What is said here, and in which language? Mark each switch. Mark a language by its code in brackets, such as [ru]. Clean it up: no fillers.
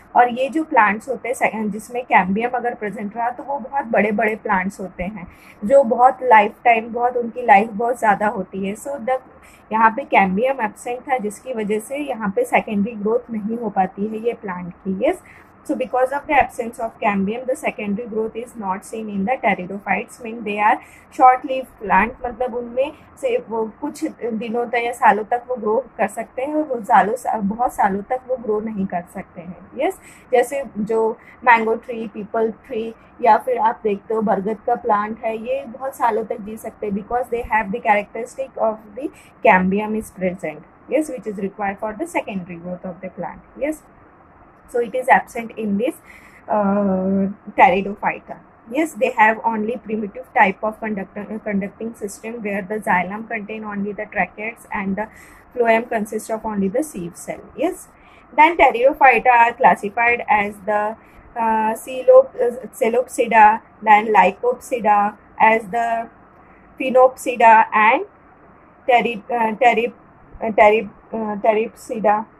[hi] और ये जो प्लांट्स होते हैं जिसमें कैम्बियम अगर प्रेजेंट रहा, तो वो बहुत बड़े बड़े प्लांट्स होते हैं जो बहुत लाइफ टाइम बहुत उनकी लाइफ बहुत ज़्यादा होती है. सो द यहाँ पे कैम्बियम एबसेंट था, जिसकी वजह से यहाँ पे सेकेंडरी ग्रोथ नहीं हो पाती है ये प्लांट की. Yes, [en] So because of the absence of cambium, the secondary growth is not seen in the pteridophytes. I mean they are short leaf plant, [hi] मतलब उनमें से वो कुछ दिनों तक या सालों तक वो ग्रो कर सकते हैं, वो सालों बहुत सालों तक वो ग्रो नहीं कर सकते हैं. यस, जैसे जो मैंगो ट्री, पीपल ट्री, या फिर आप देखते हो बरगद का प्लांट है, ये बहुत सालों तक जी सकते हैं [en] Because they have the characteristic of the cambium is present. Yes, which is required for the secondary growth of the plant. Yes, so it is absent in this pteridophyta. Yes, they have only primitive type of conducting system where the xylem contain only the tracheids and the phloem consists of only the sieve cell. Yes, then pteridophyta are classified as the coelopsida, then lycopsida, as the phenopsida, and pteripsida.